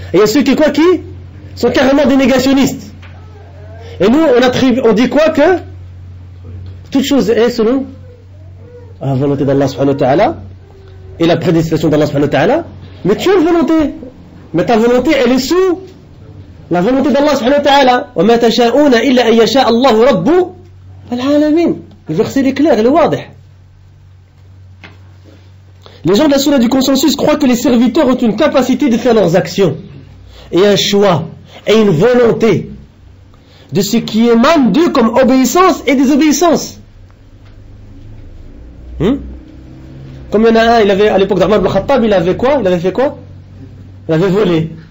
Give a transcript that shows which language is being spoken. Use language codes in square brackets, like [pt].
[fr] Et il y a ceux qui, quoi, qui sont carrément des négationnistes. Et nous, on dit quoi, que toute chose est selon la volonté d'Allah subhanahu wa ta'ala et la prédestination d'Allah subhanahu wa ta'ala. Mais tu as une volonté. Mais ta volonté, elle est sous la volonté d'Allah subhanahu wa ta'ala. [ar] وَمَا تَشَاءُونَ إِلَّا أَن يَشَاءَ اللَّهُ رَبُّ الْعَالَمِينَ. [fr] Le verset est clair, il est wadih. Les gens de la sunna du consensus croient que les serviteurs ont une capacité de faire leurs actions et un choix et une volonté de ce qui émane d'eux comme obéissance et désobéissance. Comme il y en a un, il avait à l'époque d'Omar ibn Khattab, il avait quoi? Il avait fait quoi? Il avait volé.